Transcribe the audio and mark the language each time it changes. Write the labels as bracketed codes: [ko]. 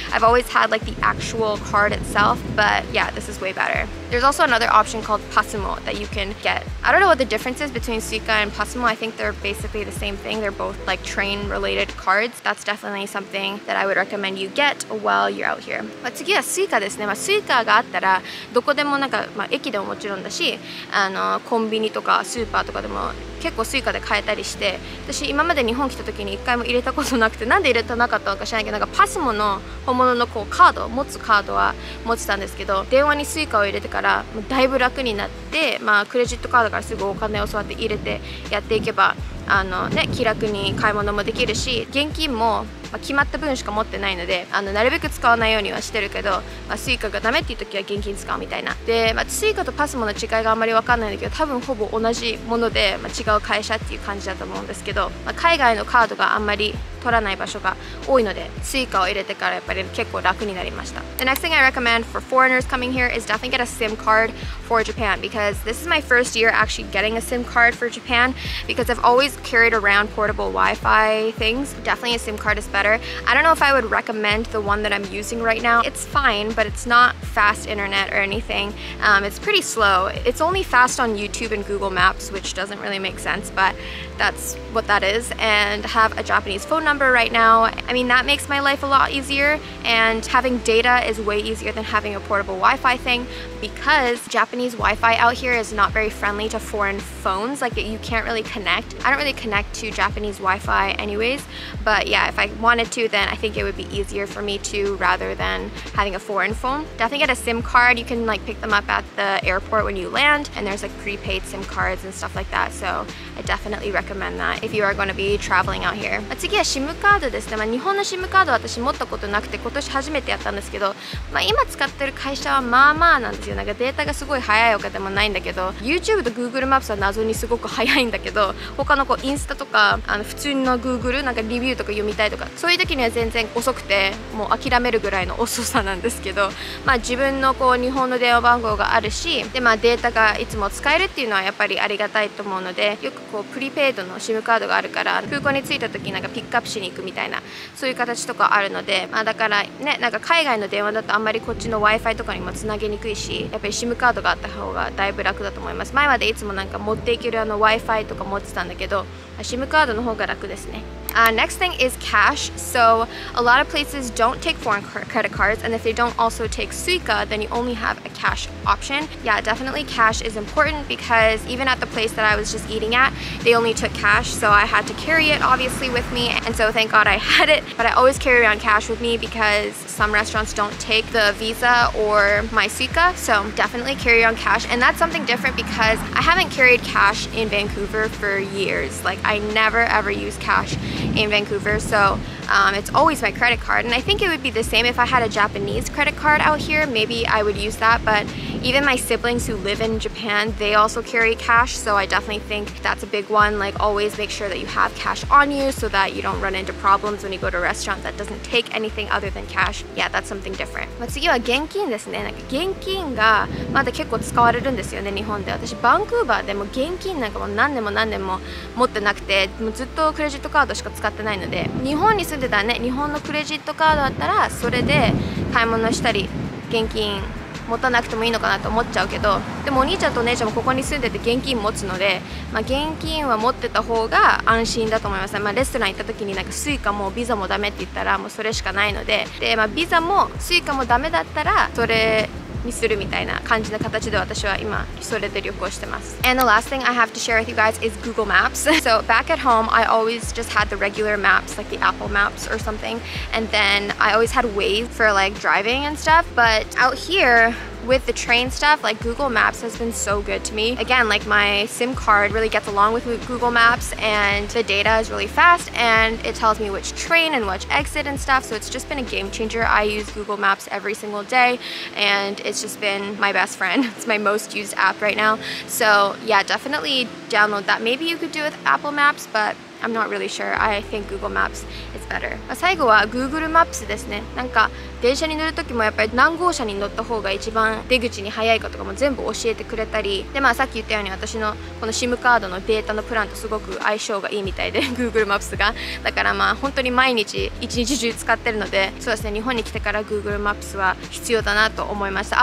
[en] I've always had like the actual card itself, but yeah, this is way better. There's also another option called pasumo that you can get. I don't know what the differences between Suica and Pasumo. I think they're basically the same thing. They're both like train related cards. That's definitely something that I would recommend you get while you're out here. [ja] まあ、次は Suica ですね。まあ、Suica があったらどこでもなんか、まあ、駅でももちろんだし、コンビニとかスーパーとかでも結構 Suica で買えたりして、私今まで日本来た時に一回も入れたことなくて、なんで入れたなかったのか知らないけど、なんか Pasumo の本物のこうカード、持つカードは持ってたんですけど、電話に Suica を入れてからだいぶ楽になって、まあ、クレジットカードからすぐお金をそうやって入れてやっていけば、ね、気楽に買い物もできるし、現金もまあ、決まった分しか持ってないので、なるべく使わないようにはしてるけど、まあ、スイカがダメっていう時は現金使うみたいな。で、まあ、スイカとパスモの違いがあまり分かんないんだけど、多分ほぼ同じもので、まあ、違う会社っていう感じだと思うんですけど、まあ、海外のカードがあんまり取らない場所が多いので、スイカを入れてからやっぱり結構楽になりました。 [en] The next thing I recommend for foreigners coming here is definitely get a SIM card for Japan because this is my first year actually getting a SIM card for Japan because I've always carried around portable Wi-Fi things. Definitely a SIM card is better. I don't know if I would recommend the one that I'm using right now. It's fine, but it's not fast internet or anything. It's pretty slow. It's only fast on YouTube and Google Maps, which doesn't really make sense, but that's what that is. And have a Japanese phone number right now. I mean, that makes my life a lot easier. And having data is way easier than having a portable Wi-Fi thing because Japanese Wi-Fi out here is not very friendly to foreign phones. Like, you can't really connect. I don't really connect to Japanese Wi-Fi anyways. But yeah, if I wanted to, then I think it would be easier for me to rather than having a foreign phone. Definitely get a SIM card. You can like pick them up at the airport when you land. And there's like prepaid SIM cards and stuff like that. So I definitely recommend that if you are going to be traveling out here. [ja] 次は SIM カードですね。まあ、日本の SIM カード私持ったことなくて今年初めてやったんですけど、まあ、今使ってる会社はまあまあなんですよ。なんかデータがすごい速いわけでもないんだけど、 YouTube と Google Maps は謎にすごく速いんだけど、他のこうインスタとか普通の Google なんかリビューとか読みたいとかそういう時には全然遅くて、もう諦めるぐらいの遅さなんですけど、まあ、自分のこう日本の電話番号があるし、で、まあ、データがいつも使えるっていうのはやっぱりありがたいと思うので、よくこうプリペイドの SIM カードがあるから空港に着いた時なんかピックアップしに行くみたいな、そういう形とかあるので、まあ、だからね、なんか海外の電話だとあんまりこっちの Wi-Fi とかにもつなげにくいし、やっぱり SIM カードがあった方がだいぶ楽だと思います。前までいつもなんか持っていけるあの Wi-Fi とか持ってたんだけど、SIM カードの方が楽ですね。 [en] Next thing is cash. So a lot of places don't take foreign credit cards, and if they don't also take suica, then you only have a cash option. Yeah, definitely cash is important because even at the place that I was just eating at, they only took cash, so I had to carry it obviously with me, and so thank God I had it. But I always carry around cash with me because some restaurants don't take the Visa or my suica, so definitely carry around cash. And that's something different because I haven't carried cash in Vancouver for years. Like, I never ever use cash in Vancouver, so it's always my credit card. And I think it would be the same if I had a Japanese credit card out here. Maybe I would use that, but even my siblings who live in Japan, they also carry cash, so I definitely think that's a big one. Like, always make sure that you have cash on you so that you don't run into problems when you go to a restaurant that doesn't take anything other than cash. Yeah, that's something different. [ja] 次は現金ですね。なんか現金がまだ結構使われるんですよね、日本で。私バンクーバーでも現金なんかもう何年も何年も持ってなくて、もうずっとクレジットカードしか使ってないので、日本に住んでたね、日本のクレジットカードだったらそれで買い物したり現金持たなくてもいいのかなと思っちゃうけど、でもお兄ちゃんとお姉ちゃんもここに住んでて現金持つので、まあ、現金は持ってた方が安心だと思います、ね。まあ、レストラン行った時になんかスイカもビザもダメって言ったらもうそれしかないので、で、まあ、ビザもスイカもダメだったらそれにするみたいな感じの形で私は今それで旅行してます。 [en] And the last thing I have to share with you guys is Google Maps. So back at home, I always just had the regular maps, like the Apple Maps or something. And then I always had Waze for like driving and stuff. But out here with the train stuff, like Google Maps has been so good to me. Again, like my SIM card really gets along with Google Maps and the data is really fast and it tells me which train and which exit and stuff. So it's just been a game changer. I use Google Maps every single day and it's just been my best friend. It's my most used app right now. So yeah, definitely download that. Maybe you could do it with Apple Maps, but I'm not really sure. I think Google Maps is better. [ja] 最後は Google Maps ですね。なんか電車に乗るときもやっぱり何号車に乗った方が一番出口に早いかとかも全部教えてくれたり、で、まあさっき言ったように私のこの SIM カードのデータのプランとすごく相性がいいみたいで、 Google Maps が、だからまあ本当に毎日一日中使ってるので、そうですね、日本に来てから Google Maps は必要だなと思いました。